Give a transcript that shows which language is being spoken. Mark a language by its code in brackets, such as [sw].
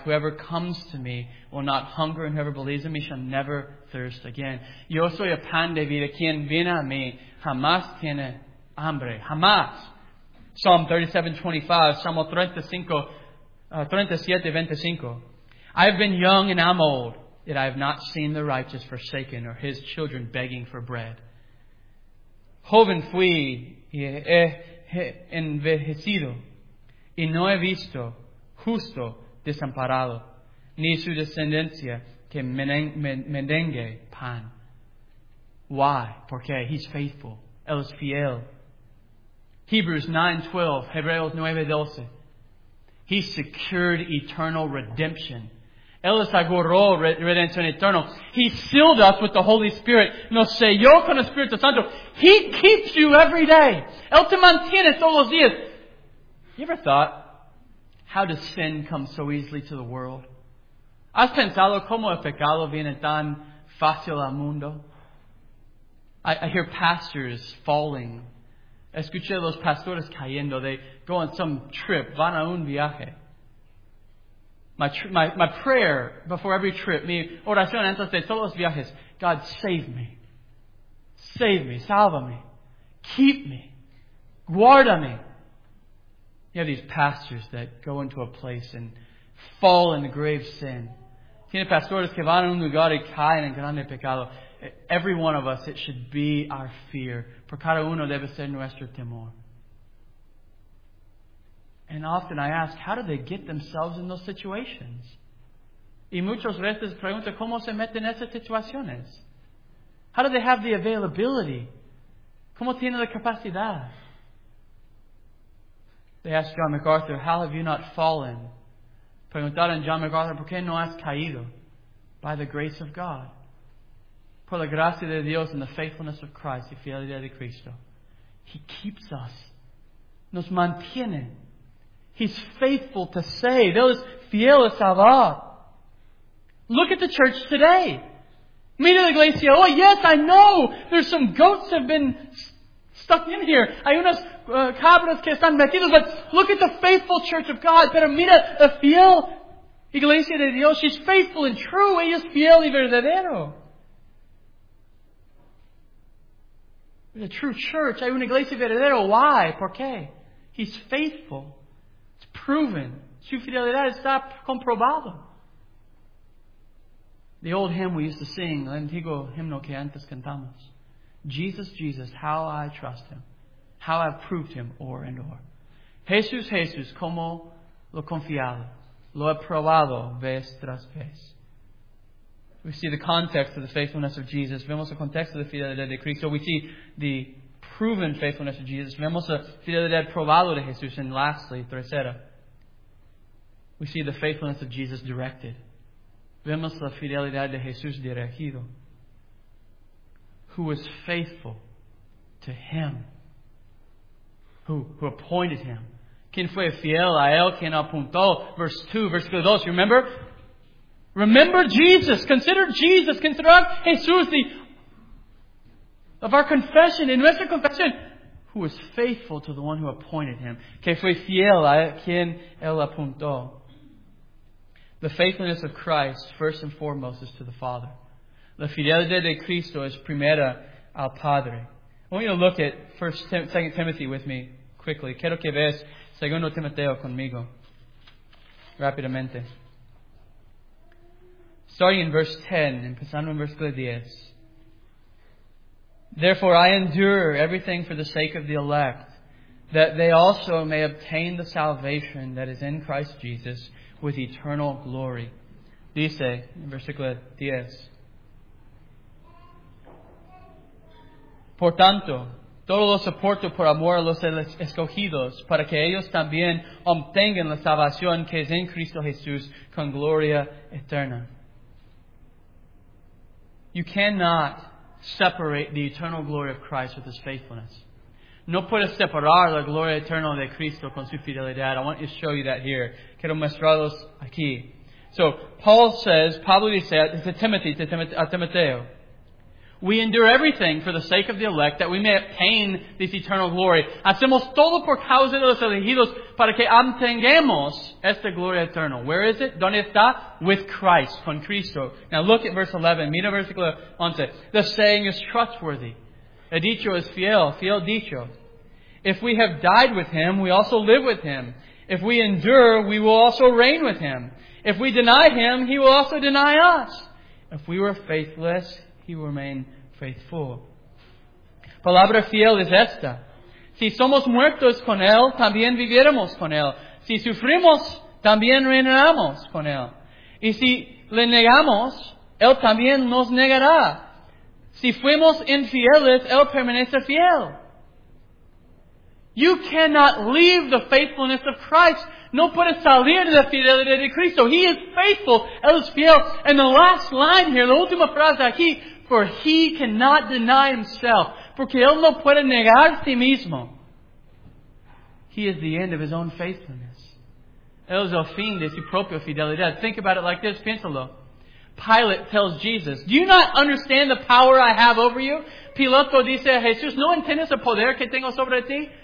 [en] Whoever comes to me will not hunger, and whoever believes in me shall never thirst again. [es] Yo soy el pan de vida. Quien viene a mí jamás tiene hambre. Jamás. [en] Psalm 37:25, Salmo 37:25. I have been young and I'm old, yet I have not seen the righteous forsaken or his children begging for bread. [es] Joven fui y he envejecido, y no he visto justo desamparado, ni su descendencia que mendengue pan. [en] Why? [es] Porque [en] he's faithful. [es] Él es fiel. [en] Hebrews 9:12, [es] Hebreos 9:12. [en] He secured eternal redemption. [es] Él aseguró redención eterna. [en] He sealed us with the Holy Spirit. [es] Nos selló con el Espíritu Santo. [en] He keeps you every day. [es] Él te mantiene todos los días. [en] You ever thought, how does sin come so easily to the world? [es] ¿Has pensado cómo el pecado viene tan fácil al mundo? [en] I hear pastors falling. [es] Escuché a los pastores cayendo. [en] They go on some trip. [es] Van a un viaje. [en] My prayer before every trip, [es] mi oración antes de todos los viajes, [en] God, save me. Save me. [es] Salva me. [en] Keep me. [es] Guarda me. [en] You have these pastors that go into a place and fall in the grave sin. [es] Tiene pastores que van a un lugar y caen en grande pecado. [en] Every one of us, it should be our fear. [es] Por cada uno debe ser nuestro temor. [en] And often I ask, how do they get themselves in those situations? [es] Y muchos veces pregunto, ¿cómo se meten en esas situaciones? [en] How do they have the availability? [es] ¿Cómo tienen la capacidad? [en] They ask John MacArthur, how have you not fallen? [es] Preguntaron John MacArthur, ¿por qué no has caído? [en] By the grace of God. [es] Por la gracia de Dios [en] and the faithfulness of Christ, [es] y fidelidad de Cristo. [en] He keeps us. [es] Nos mantiene. [en] He's faithful to save. [es] Él es fiel a salvar. [en] Look at the church today. [es] Mira la iglesia. [en] Oh, yes, I know. There's some goats have been stuck in here. [es] Hay unas cabras que están metidas. [en] But look at the faithful church of God. [es] Pero mira la fiel iglesia de Dios. [en] She's faithful and true. [es] Ella es fiel y verdadero. [en] The true church. [es] Hay una iglesia verdadera. [en] Why? [es] Por qué? [en] He's faithful. proven. [es] Su fidelidad está comprobado. [en] The old hymn we used to sing, [es] el antiguo himno que antes cantamos. [en] Jesus, Jesus, how I trust Him. How I've proved Him o'er and o'er. [es] Jesús, Jesús, cómo lo confiado. Lo he probado vez tras vez. [en] We see the context of the faithfulness of Jesus. [es] Vemos el contexto de fidelidad de Cristo. [en] We see the proven faithfulness of Jesus. [es] Vemos la fidelidad probado de Jesús. [en] And lastly, [es] tercera, [en] we see the faithfulness of Jesus directed. [es] Vemos la fidelidad de Jesús dirigido. [en] Who was faithful to Him. Who appointed Him. [es] ¿Quién fue fiel a Él? ¿Quién apuntó? [en] Verse 2, [es] versículo 2, [en] remember? Remember Jesus. Consider Jesus. Consider Jesús, the of our confession, in nuestra confession, who was faithful to the one who appointed Him. [es] Que fue fiel a quien Él apuntó. [en] The faithfulness of Christ, first and foremost, is to the Father. [es] La fidelidad de Cristo es primera al Padre. [en] I want you to look at 2 Timothy with me quickly. [es] Quiero que veas 2 Timoteo conmigo. Rápidamente. [en] Starting in verse 10, [es] empezando en versículo 10. [en] Therefore I endure everything for the sake of the elect, that they also may obtain the salvation that is in Christ Jesus with eternal glory. [es] Dice, in versículo 10. Por tanto, todo lo soporto por amor a los escogidos, para que ellos también obtengan la salvación que es en Cristo Jesús con gloria eterna. [en] You cannot separate the eternal glory of Christ with His faithfulness. [es] No puedes separar la gloria eterna de Cristo con su fidelidad. [en] I want to show you that here. [es] Quiero mostrarlos aquí. [en] So, [es] Pablo dice a Timoteo, [en] we endure everything for the sake of the elect, that we may obtain this eternal glory. [es] Hacemos todo por causa de los elegidos, para que obtengamos esta gloria eterna. [en] Where is it? [es] ¿Dónde está? [en] With Christ, [es] con Cristo. [en] Now look at verse 11. [es] Mira versículo 11. [en] The saying is trustworthy. [es] El dicho es fiel. Fiel dicho. [en] If we have died with Him, we also live with Him. If we endure, we will also reign with Him. If we deny Him, He will also deny us. If we were faithless, He will remain faithful. [es] Palabra fiel es esta. Si somos muertos con Él, también viviremos con Él. Si sufrimos, también reinaremos con Él. Y si le negamos, Él también nos negará. Si fuimos infieles, Él permanece fiel. [en] You cannot leave the faithfulness of Christ. [es] No puedes salir de la fidelidad de Cristo. [en] He is faithful. [es] Él es fiel. [en] And the last line here, [es] la última frase aquí, [en] for He cannot deny Himself. [es] Porque Él no puede negar a sí mismo. [en] He is the end of His own faithfulness. [es] Él es el fin de su propia fidelidad. [en] Think about it like this. [es] Piénsalo. [en] Pilate tells Jesus, do you not understand the power I have over you? [es] Piloto dice a Jesús, ¿no entiendes el poder que tengo sobre ti?